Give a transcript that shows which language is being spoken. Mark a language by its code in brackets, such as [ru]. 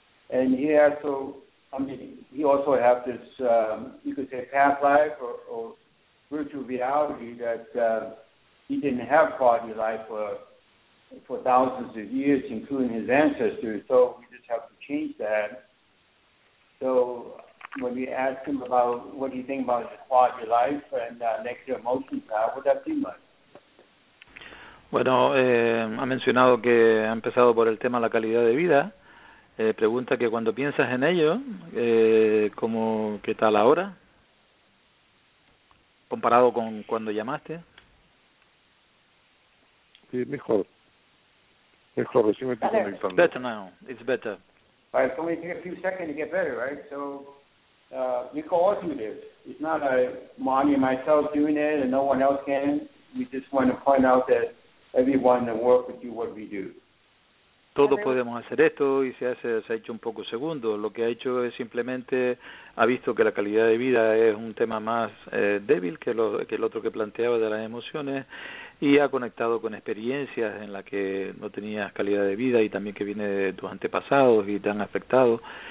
[en] And he also, he also have this, you could say, past life or virtual reality that he didn't have quality of life for thousands of years, including his ancestors. So we just have to change that. So when you ask him about what do you think about his quality of life and negative emotions, how would that be much? [es] Bueno, ha mencionado que ha empezado por el tema de la calidad de vida. Pregunta que cuando piensas en ello, ¿cómo, qué tal ahora? Comparado con cuando llamaste. Sí, mejor. Mejor, recién me estoy conectando. [en] Better now. It's better. Right, it's only take a few seconds to get better, right? So we can all do this. It's not a Monty and myself doing it and no one else can. We just want to point out that everyone that works with you, what we do. [es] Todos podemos hacer esto y se ha hecho un poco segundo. Lo que ha hecho es simplemente ha visto que la calidad de vida es un tema más débil que el otro que planteaba de las emociones y ha conectado con experiencias en las que no tenías calidad de vida y también que viene de tus antepasados y te han afectado.